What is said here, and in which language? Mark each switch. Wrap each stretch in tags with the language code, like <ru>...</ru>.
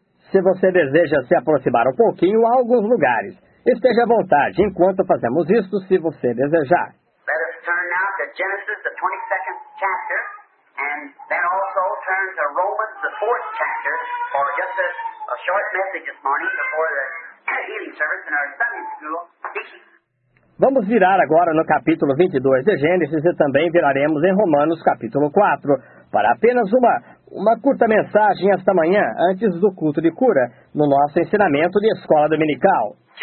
<pt>Se você deseja se aproximar um pouquinho a alguns lugares, esteja à vontade enquanto fazemos isto, se você desejar.</pt> <en>Let us turn now to Genesis, the 22nd chapter, and then also turn to Romans, the 4th chapter, for just a short message this morning before the healing service in our Sunday school.</en> <pt>Vamos virar agora no capítulo 22 de Gênesis e também viraremos em Romanos capítulo 4, para apenas uma curta mensagem esta manhã, antes do culto de cura, no nosso ensinamento de escola dominical.</pt>